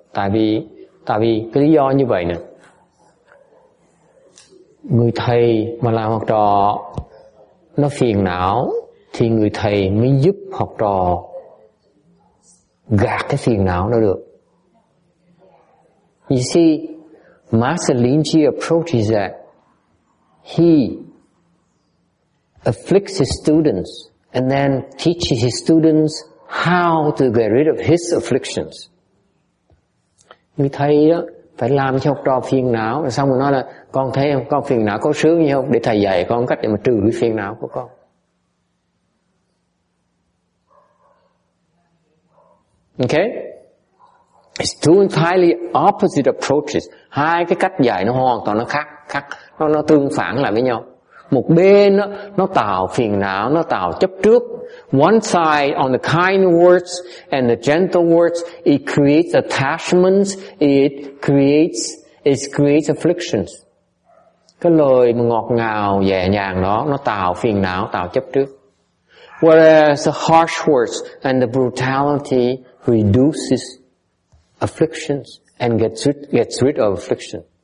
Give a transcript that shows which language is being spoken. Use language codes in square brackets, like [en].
[vi] Tại vì cái lý do như vậy nè. Người thầy mà làm học trò nó phiền não thì người thầy mới giúp học trò gạt cái phiền não nó được. [en] You see, Master Linji approaches that he afflicts his students and then teaches his students how to get rid of his afflictions. [vi] Người thầy đó phải làm cho học trò phiền não, xong rồi nói là con thấy không, con phiền não có sướng gì không, để thầy dạy con cách để mà trừ cái phiền não của con. [en] Okay. It's two entirely opposite approaches. [vi] Hai cái cách dạy nó hoàn toàn nó khác khác, nó tương phản lại với nhau. Một bên nó tạo phiền não, nó tạo chấp trước. [en] One side on the kind words and the gentle words, it creates attachments, it creates afflictions. [vi] Cái lời mà ngọt ngào, nhẹ nhàng đó, nó tạo phiền não, tạo chấp trước. [en] Whereas the harsh words and the brutality reduces afflictions and gets rid of affliction.